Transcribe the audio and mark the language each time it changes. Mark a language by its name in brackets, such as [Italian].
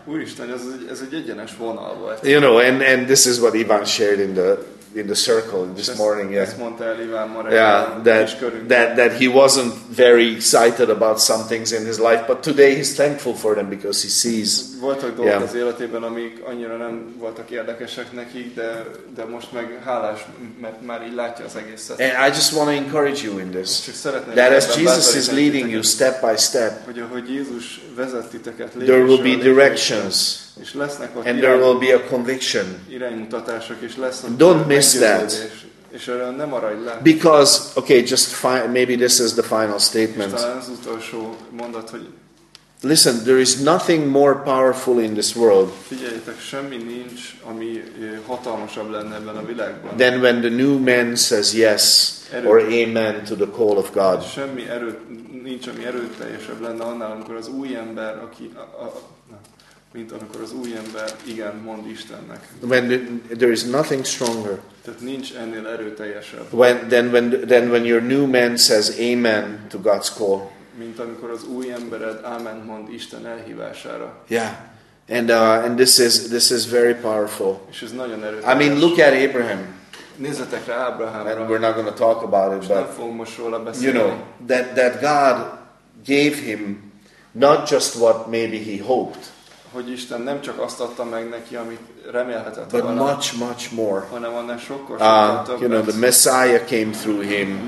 [Hungarian] Úristen, ez egy egyenes vonal volt. [English] You know, and this is what Ivan shared in the circle this morning. Yeah. That he wasn't very excited about some things in his life, but today he's thankful for them because he sees. [Hungarian] Voltak dolgok az életében, amik annyira nem voltak érdekesek nekik, de most meg hálás, mert már így látja az egészet. [English] And I just want to encourage you in this. That as Jesus is leading you step by step, [Hungarian] hogy Jézus vezet titeket, [English] there will be directions. [Hungarian] És lesznek ott [English] and there will be a conviction. [Hungarian] Iránymutatások, és lesz ott. [English] Don't miss that. [Hungarian] És erre nem maradj le. [English] Because, okay, just maybe this is the final statement. [Hungarian] És talán az utolsó mondat, hogy [English] listen, there is nothing more powerful in this world. [Hungarian] Figyeljetek, semmi nincs, ami hatalmasabb lenne ebben a világban. [English] Then when the new man says yes or amen to the call of God. [Hungarian] Semmi erő nincs, ami erőteljesebb lenne annál, amikor az új ember, aki mint amikor az új ember igen mond Istennek. [English] When there is nothing stronger. [Hungarian] Tehát nincs ennél erőteljesebb. [English] When your new man says amen to God's call. [Hungarian] Mint amikor az új embered amen mond Isten elhívására. [English] Yeah. And this is very powerful. [Hungarian] És ez nagyon erőteljes. [English] I mean, look at Abraham. [Hungarian] Nézzetek rá Ábrahámra. [English] And we're not going to talk about it, but [Hungarian] nem fogunk most róla beszélni. [English] You know, that God gave him not just what maybe he hoped. [Hungarian] Hogy Isten nem csak azt adta meg neki, amit remélhetett volna, [English] but much, much more. [Hungarian] Hanem annál sokkal többet. [English] You know, the Messiah came through him.